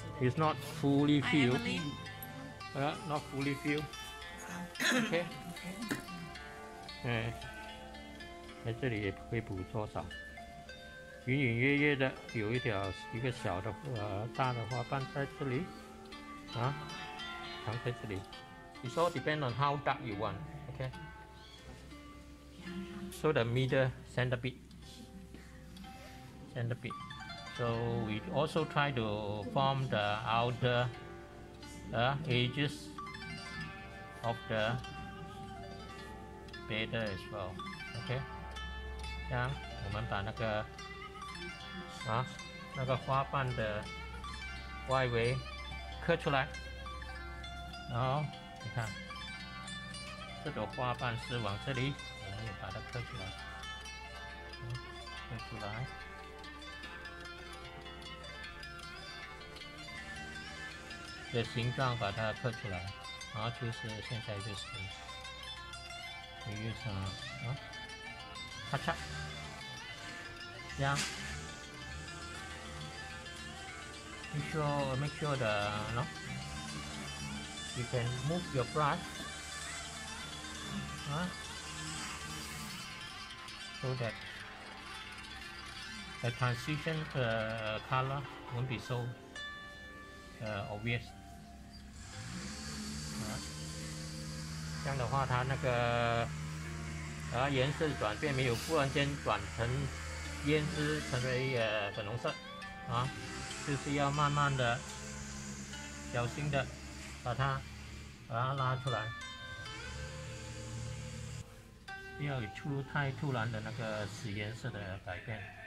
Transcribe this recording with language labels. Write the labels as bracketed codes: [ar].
[en] It's not fully filled. Not fully filled. [zh] Okay. 在这里也会补多少。隐隐约约的有一条一个小的大的花瓣在这里啊，藏在这里。 [en] It all depends on how dark you want. Okay. So the middle center bit. So we also try to form the outer edges of the beta as well. Okay. [zh] 这样我们把那个那个花瓣的外围刻出来，然后你看这朵花瓣是往这里，我们也把它刻出来，刻出来，这形状把它刻出来，然后就是现在就是可以上咔嚓这样。 [en] Make sure the, you know, you can move your brush, so that the transition color won't be so obvious. [zh] 这样的话，它那个颜色转变没有忽然间转成胭脂，成为粉红色，就是要慢慢的、小心的把它拉出来，不要出太突然的那个死颜色的改变。